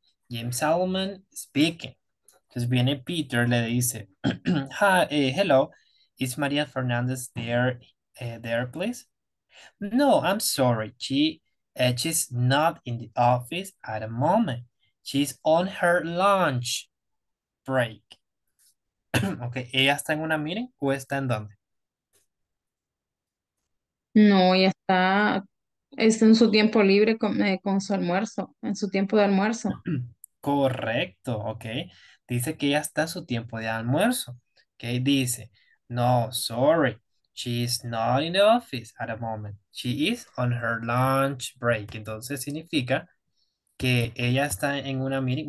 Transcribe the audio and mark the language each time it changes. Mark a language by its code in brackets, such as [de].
[en] Jim Solomon speaking. [es] Entonces viene Peter, le dice, hello. [en] Is Maria Fernandez there, please? No, I'm sorry. She's not in the office at the moment. She's on her lunch break. [es] Okay, ¿ella está en una meeting o está en dónde? No, ella está en su tiempo libre con su almuerzo, en su tiempo de almuerzo. Correcto, okay. Dice que ella está en su tiempo de almuerzo. Okay, dice, no, sorry. [en] She is not in the office at the moment. She is on her lunch break. [es] Entonces significa que ella está en una meeting.